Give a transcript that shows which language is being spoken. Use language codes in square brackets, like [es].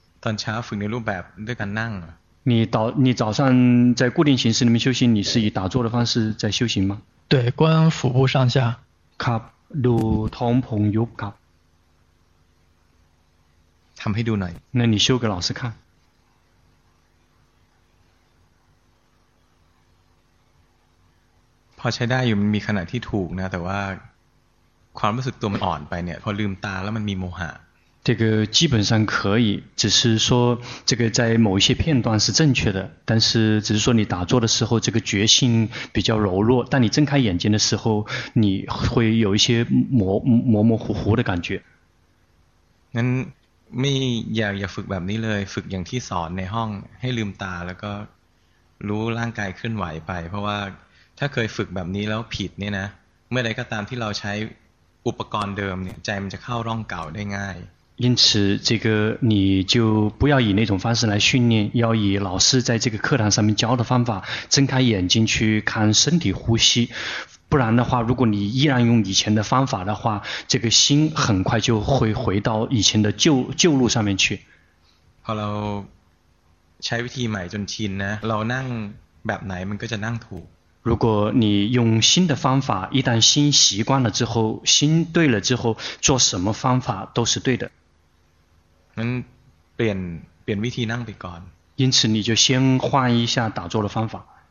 [th] ตอนเช้าฝึกในรูปแบบด้วยการนั่ง [zh] 你早上在固定形式里面修行，你是以打坐的方式在修行吗？对，观腹部上下。 [th] ครับ ดู ท้องผง ยุบ ครับ ทำให้ดูหน่อย [zh] 那你修给老师看。 [th] พอใช้ได้อยู่มันมีขณะที่ถูกนะแต่ว่าความรู้สึกตัวมันอ่อนไปเนี่ยพอลืมตาแล้วมันมีโมหะ [zh] 这个基本上可以只是说这个在某一些片段是正确的但是只是说你打坐的时候这个觉性比较柔弱但你睁开眼睛的时候你会有一些模模糊糊的感觉 [th] 那ไม่อยากฝึกแบบนี้เลยฝึกอย่างที่สอนในห้องให้ลืมตาแล้วก็รู้ร่างกายเคลื่อนไหวไปเพราะว่าถ้าเคยฝึกแบบนี้แล้วผิดเนี่ยนะเมื่อใดก็ตามที่เราใช้อุปกรณ์เดิมเนี่ยใจมันจะเข้าร่องเก่าได้ง่าย [zh] 因此这个你就不要以那种方式来训练要以老师在这个课堂上面教的方法睁开眼睛去看身体呼吸不然的话如果你依然用以前的方法的话这个心很快就会回到以前的旧路上面去好了 [th] ใช้วิธีใหม่จนชินนะเรานั่งแบบไหนมันก็จะนั่งถูก [zh] 如果你用新的方法一旦心习惯了之后心对了之后做什么方法都是对的 [th] มันเปลี่ยนวิธีนั่งไปก่อน [zh] 因此你就先换一下打坐的方法